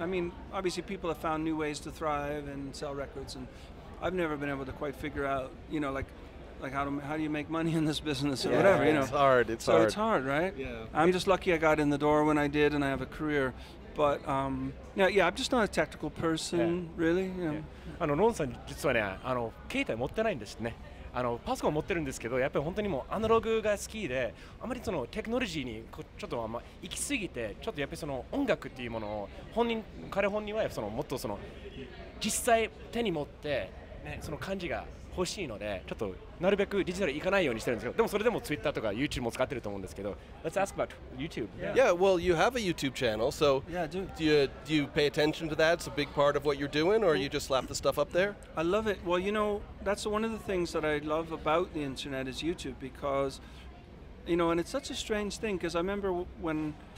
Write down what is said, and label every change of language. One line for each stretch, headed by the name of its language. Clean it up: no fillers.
English: I mean, obviously, people have found new ways to thrive and sell records, and I've never been able to quite figure out. You know, like how do you make money in this business or whatever, you know. It's hard, it's so hard. So it's hard, right? Yeah. I'm just lucky I got in the door when I did and I have a career. But, I'm just not a technical person, really. Yeah.
Japanese: あの、ロンさん、実はね、あの、携帯持ってないんですね。あの、パソコン持ってるんですけど、やっぱり本当にもうアナログが好きで、あまりそのテクノロジーにこちょっとあんま行き過ぎて、ちょっとやっぱりその音楽っていうものを彼本人はそのもっとその、実際手に持って、ね、その感じが欲しいのでちょっとなるべくデジタル行かないようにしてるんですけど、でもそれでも Twitter とか YouTube も使ってると思うんですけど。
English: Let's ask about YouTube. Yeah, well, you have a YouTube channel, so yeah, I do. Do you pay attention to that? It's a big part of what you're doing, or you just slap the stuff up there? I love it. Well, you know, that's one of the things that I love about the internet is YouTube, because, you know, and it's such a strange thing, because I remember when